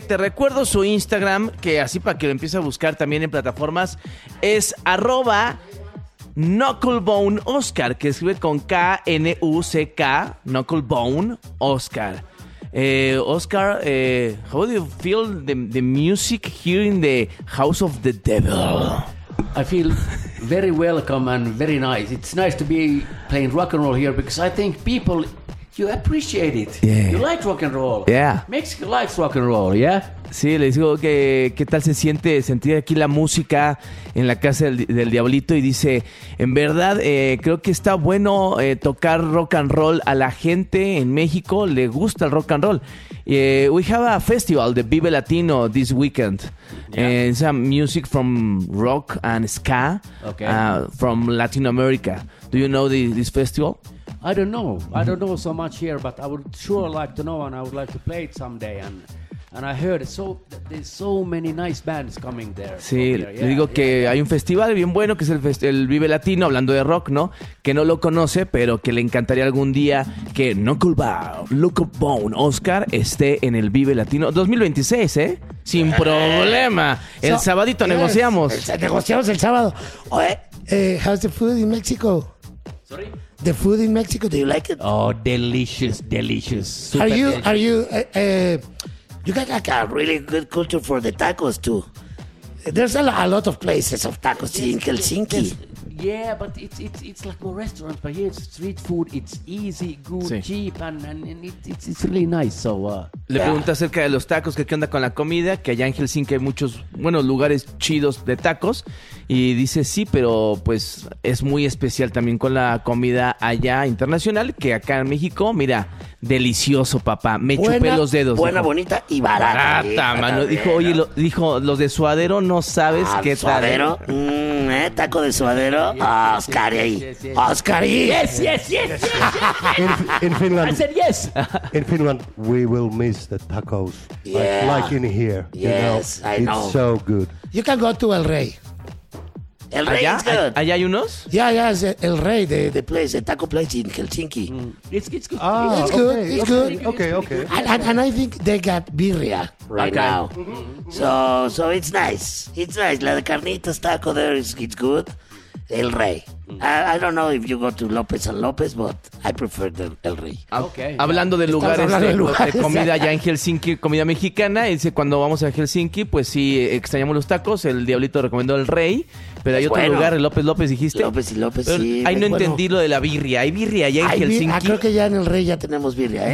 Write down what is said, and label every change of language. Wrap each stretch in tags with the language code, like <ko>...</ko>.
<es>Te recuerdo su Instagram, que así para que lo empiece a buscar también en plataformas, es arroba Knucklebone Oscar, que escribe con K-N-U-C-K, Knucklebone Oscar.</es> <en>Oscar, how do you feel the music here in the House of the Devil? I feel very welcome and very nice. It's nice to be playing rock and roll here because I think people, you appreciate it. Yeah. You like rock and roll. Yeah. Mexico likes rock and roll, yeah?</en> <es>Sí, le digo que qué tal se siente sentir aquí la música en la casa del diablito, y dice, en verdad creo que está bueno tocar rock and roll a la gente en México, le gusta el rock and roll.</es> <en>We have a festival, the Vive Latino, this weekend. Yeah. It's a music from rock and ska, from Latin America. Do you know this festival? I don't know. I don't know so much here, but I would sure like to know, and I would like to play it someday. And I heard so there's so many nice bands coming there.</en> <es>Sí, le digo que hay un festival bien bueno que es el Vive Latino, hablando de rock, ¿no? Que no lo conoce, pero que le encantaría algún día que Knucklebone, Luke Bone, Oscar esté en el Vive Latino 2026, ¿eh? Sin problema. El sabadito negociamos. Negociamos el sábado. Oye,</es> <en>how's the food in Mexico? Sorry. The food in Mexico, do you like it? Oh, delicious, delicious. Super are you delicious. Are you you got like a really good culture for the tacos too. There's a lot of places of tacos in Helsinki. Yeah, but it's like more restaurants, but here it's street food. It's easy, good, cheap, and it's really nice. So</en> <es>le pregunta acerca de los tacos, que qué onda con la comida, que allá en Helsinki hay muchos buenos lugares chidos de tacos, y dice sí, pero pues es muy especial también con la comida allá internacional, que acá en México, mira, delicioso, papá, me chupé los dedos. Buena, dijo. Bonita y barata. Barata, mano. Dijo, oye, dijo, los de Suadero, no sabes qué tal. Suadero, taco de Suadero. Oscar, ahí. Oscar, ahí.</es> <en>Yes. In Finland. I said yes. In Finland, we will miss the tacos. Yeah. Like in here. Yes, you know? I know. It's so good. You can go to El Rey. El Rey,</en> <es>allá, allá hay unos.</es> <en>Yeah, es El Rey, the place, the taco place in Helsinki. Mm. It's good. Ah, it's okay. Good. It's good. Okay. And I think they got birria right now. Mm-hmm. So it's nice.</en> <es>La de carnitas</es> <en>taco there it's good. El Rey. I don't know if you go to López and López, but I prefer the El Rey. Okay.</en> <es>Hablando de lugares, de comida allá en Helsinki, comida mexicana, dice cuando vamos a Helsinki, pues sí, extrañamos los tacos, el diablito recomendó El Rey, pero hay otro lugar, el López, dijiste. López y López, pero sí. Ahí no entendí lo de la birria, ¿hay birria allá en Helsinki? Creo que ya en El Rey ya tenemos birria, ¿eh?</es>